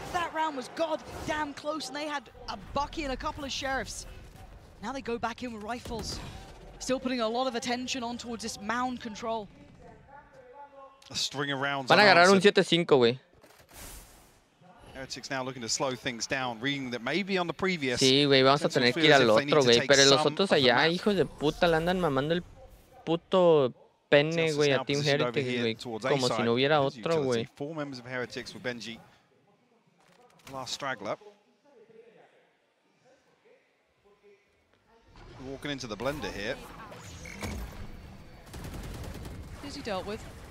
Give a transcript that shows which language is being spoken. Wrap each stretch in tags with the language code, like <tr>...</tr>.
<en>That round was goddamn close, and they had a Bucky and a couple of sheriffs. Now they go back in with rifles. Still putting a lot of attention on towards this mound control. A string of rounds.</en> <es>Van a agarrar un 7-5, güey.</es> <en>Heretics now looking to slow things down, reading that maybe on the previous.</en> <es>Sí, güey, vamos a tener que ir al otro, güey, pero los otros allá, hijos de puta, le andan mamando el puto pene, güey, a Team Heretics, güey, como si no hubiera otro, güey.</es> <en>Four members of Heretics with Benji. Last straggler. Walking into the blender here. Who's he dealt with?</en>